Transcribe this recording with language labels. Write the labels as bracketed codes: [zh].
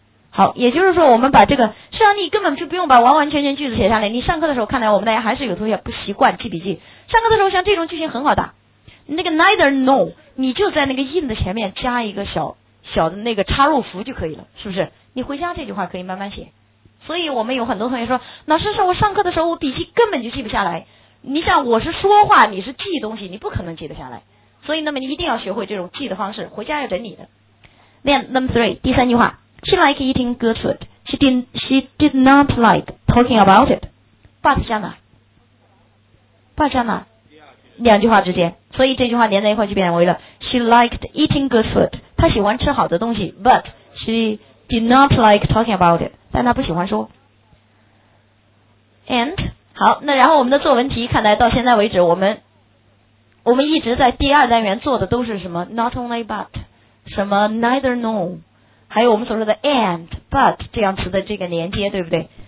[zh] 好，也就是说我们把这个，实际上你根本就不用把完完全全句子写下来，你上课的时候，看来我们大家还是有同学不习惯记笔记，上课的时候像这种句型很好打，那个 neither nor 你就在那个 in 的前面加一个小小的那个插入符就可以了，是不是？你回家这句话可以慢慢写。所以我们有很多同学说，老师说我上课的时候我笔记根本就记不下来，你想我是说话你是记东西，你不可能记得下来，所以那么你一定要学会这种记的方式，回家要整理的。 [en] Then number three，第三句话， She liked eating good food. She did not like talking about it. [zh] But 加哪？But 加哪？两句话之间，所以这句话连在一块就变为了 She liked eating good food，她喜欢吃好的东西， But she did not like talking about it，但他不喜欢说。 And 好，那然后我们的作文题看来到现在为止，我们一直在第二单元做的都是什么 not only but， 什么 neither nor， 还有我们所说的 and but 这样词的这个连接，对不对？